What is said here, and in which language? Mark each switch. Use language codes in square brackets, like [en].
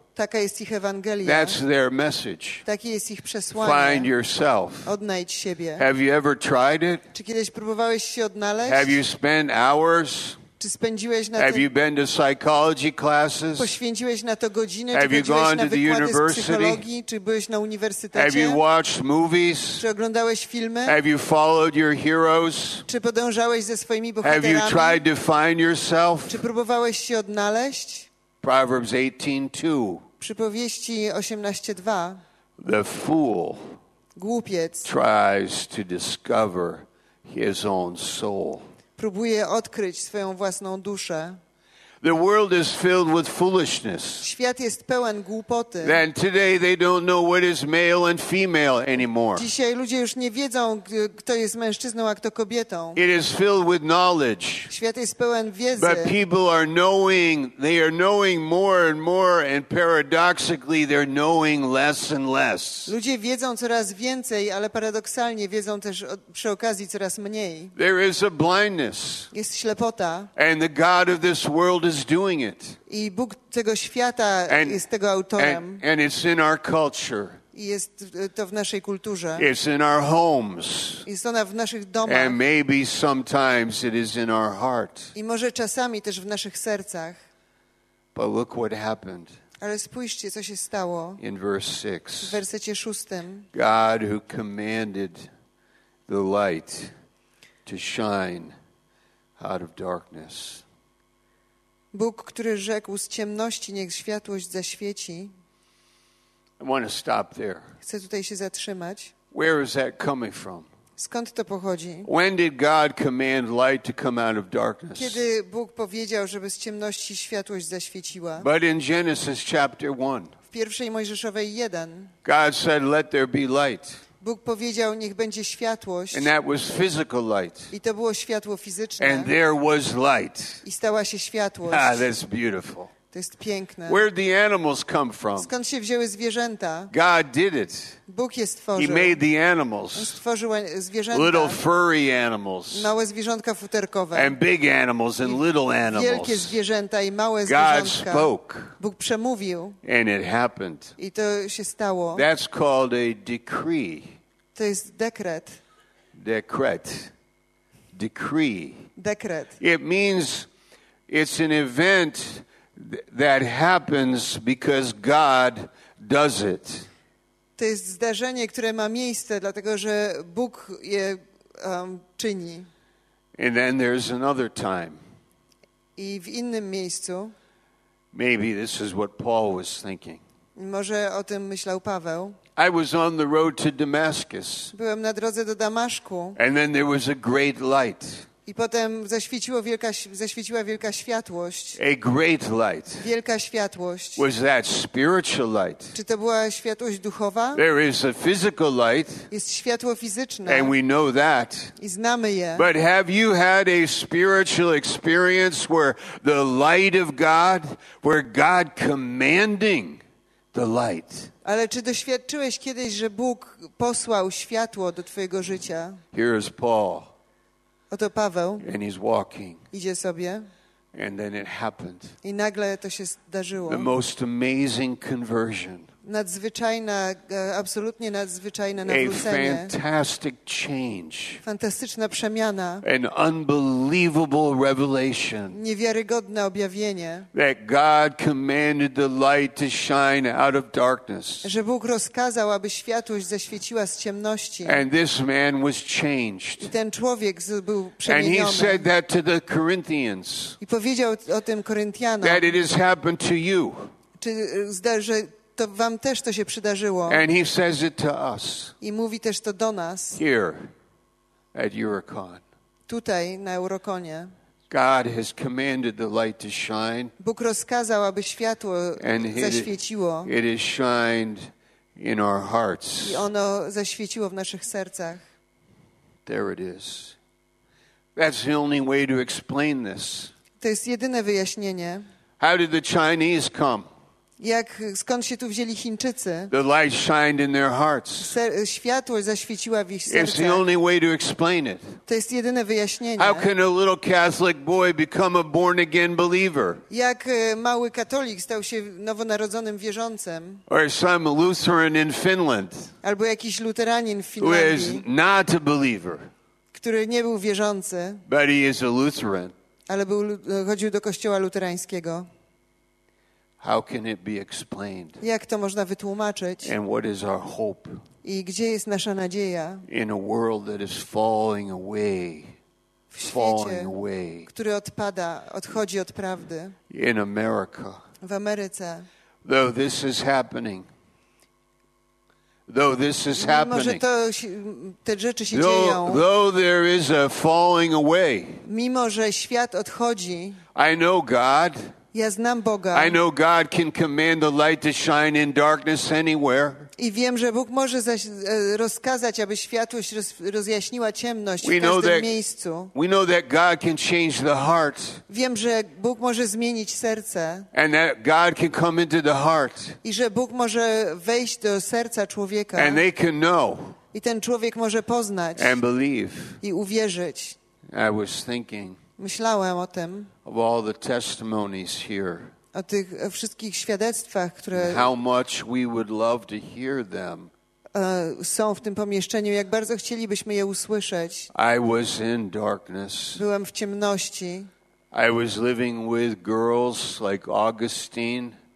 [pl] Taka jest ich Ewangelia. [en] That's their message. [pl] Takie jest ich przesłanie. [en] Find yourself. [pl] Odnajdź siebie. [en] Have you ever tried it? [pl] Czy kiedyś próbowałeś się odnaleźć? [en] Have you spent hours? [pl] Czy spędziłeś na [en] Have you been to psychology classes? [pl] Poświęciłeś na to godziny? [en] Have you gone to the university? [pl] Czy byłeś na uniwersytecie? [en] Have you watched movies? [pl] Czy oglądałeś filmy? [en] Have you followed your heroes? [pl] Czy podążałeś ze swoimi bohaterami? [en] Have you tried to find yourself? [pl] Czy próbowałeś się odnaleźć? [en] Proverbs 18:2. [pl] Przypowieści 18:2. [en] The fool. [pl] Głupiec. [en] Tries to discover his own soul. [pl] Próbuje odkryć swoją własną duszę. [en] The world is filled with foolishness. [pl] Świat jest pełen głupoty. [en] And today they don't know what is male and female anymore. [pl] Dzisiaj ludzie już nie wiedzą, kto jest mężczyzną, a kto kobietą. [en] It is filled with knowledge. [pl] Świat jest pełen wiedzy. [en] But people are knowing, they are knowing more and more, and paradoxically they're knowing less and less. [pl] Ludzie wiedzą coraz więcej, ale paradoksalnie wiedzą też przy okazji coraz mniej. [en] There is a blindness. [pl] Jest ślepota. [en] And the God of this world is doing it. [pl] I Bóg tego świata jest tego autorem. [en] And it's in our culture. [pl] Jest to w naszej kulturze. [en] It's in our homes. [pl] Jest ona w naszych domach. [en] And maybe sometimes it is in our heart. [pl] I może czasami też w naszych sercach. [en] But look what happened. [pl] Ale spójrzcie, co się stało. [en] In verse 6. [pl] W wersecie 6. [en] God who commanded the light to shine out of darkness. [pl] Bóg, który rzekł z ciemności, niech światłość zaświeci. [en] I want to stop there. [pl] Chcę tutaj się zatrzymać. [en] Where is that coming from? [pl] Skąd to pochodzi? [en] When did God command light to come out of darkness? [pl] Kiedy Bóg powiedział, żeby z ciemności światłość zaświeciła? [en] But in Genesis chapter 1. [pl] W pierwszej Mojżeszowej 1. [en] God said, let there be light. [pl] Bóg powiedział, niech będzie światłość. [en] And that was physical light. [pl] I to było światło fizyczne. [en] And there was light. [pl] I stała się światłość. [en] Ah, that's beautiful. [pl] To jest piękne. [en] Where did the animals come from? [pl] Skąd się wzięły zwierzęta? [en] God did it. [pl] Bóg je stworzył. [en] He made the animals. [pl] On stworzył zwierzęta. [en] Little furry animals. [pl] Małe zwierzątka futerkowe. [en] And big animals and little animals. [pl] Wielkie zwierzęta i małe zwierzątka. [en] God spoke. [pl] Bóg przemówił. [en] And it happened. [pl] I to się stało. [en] That's called a decree. [pl] To jest dekret. Dekret. Decree. Dekret. [en] It means it's an event that happens because God does it. [pl] To jest zdarzenie, które ma miejsce, dlatego że Bóg je czyni. [en] And then there's another time. [pl] I w innym miejscu. [en] Maybe this is what Paul was thinking. [pl] Może o tym myślał Paweł. [en] I was on the road to Damascus. [pl] Byłem na drodze do Damaszku. [en] And then there was a great light. [pl] I potem zaświeciła wielka światłość. [en] A great light. [pl] Wielka światłość. [en] Was that spiritual light? [pl] Czy to była światłość duchowa? [en] There is a physical light. [pl] Jest światło fizyczne. [en] And we know that. [pl] I znamy je. [en] But have you had a spiritual experience where the light of God, where God commanding the light? [pl] Ale czy doświadczyłeś kiedyś, że Bóg posłał światło do twojego życia? [en] Here is Paul. [pl] Oto Paweł. [en] And he's walking. [pl] Idzie sobie. [en] And then it happened. [pl] I nagle to się zdarzyło. [en] The most amazing conversion. [pl] Nadzwyczajna, absolutnie nadzwyczajne nawrócenie. [en] A fantastic change. [pl] Fantastyczna przemiana. [en] An unbelievable revelation. [pl] Niewiarygodne objawienie. [en] That God commanded the light to shine out of darkness. [pl] Że Bóg rozkazał, aby światłość zaświeciła z ciemności. [en] And this man was changed. [pl] I ten człowiek był przemieniony. [en] And he said that to the Corinthians. [pl] I powiedział o tym Koryntianom. [en] That it has happened to you. [pl] Czy zdarzy to wam też to się przydarzyło. [en] And he says it to us. [pl] I mówi też to do nas. [en] Here at Eurocon. [pl] Tutaj na Eurokonie. [en] God has commanded the light to shine. [pl] Bóg rozkazał, aby światło [en] and [pl] zaświeciło. [en] It has shined in our hearts. [pl] I ono zaświeciło w naszych sercach. [en] There it is. That's the only way to explain this. [pl] To jest jedyne wyjaśnienie. [en] How did the Chinese come? [pl] Jak skąd się tu wzięli Chińczycy? [en] The light shined in their hearts. [pl] Światło zaświeciło w ich sercach. [en] It's the only way to explain it. [pl] To jest jedyne wyjaśnienie. [en] How can a little Catholic boy become a born again believer? [pl] Jak mały katolik stał się nowonarodzonym wierzącym? [en] Or some Lutheran in Finland. [pl] Albo jakiś luteranin w Finlandii. [en] Who is not a believer. [pl] Który nie był wierzący. [en] But he is a Lutheran. [pl] Ale był, chodził do kościoła luterańskiego. [en] How can it be explained? [pl] Jak to można wytłumaczyć? [en] And what is our hope? [pl] I gdzie jest nasza nadzieja? [en] In a world that is falling away. [pl] W świecie, [en] falling away. [pl] Który odpada, odchodzi od prawdy. [en] In America. [pl] W Ameryce. [en] Though this is happening. Though this is happening. [pl] Mimo, że to, te rzeczy się [en] though, [pl] dzieją. [en] Though there is a falling away. [pl] Mimo, że świat odchodzi. [en] I know God. [pl] Ja znam Boga. [en] I know God can command the light to shine in darkness anywhere. [pl] I wiem, że Bóg może rozkazać, aby światłość rozjaśniła ciemność [en] we [pl] w każdym that, miejscu. [en] We know that God can change the heart. [pl] Wiem, że Bóg może zmienić serce. [en] And that God can come into the heart. [pl] I że Bóg może wejść do serca człowieka. [en] And they can know. [pl] I ten człowiek może poznać. [en] And believe. [pl] I uwierzyć. [en] I was thinking. [pl] Myślałem o tym. [en] Of all the testimonies here. [pl] O tych wszystkich świadectwach, które [en] how much we would love to hear them. [pl] Są w tym pomieszczeniu, jak bardzo chcielibyśmy je usłyszeć. [en] I was in darkness. [pl] Byłem w ciemności. [en] I was living with girls like Augustine.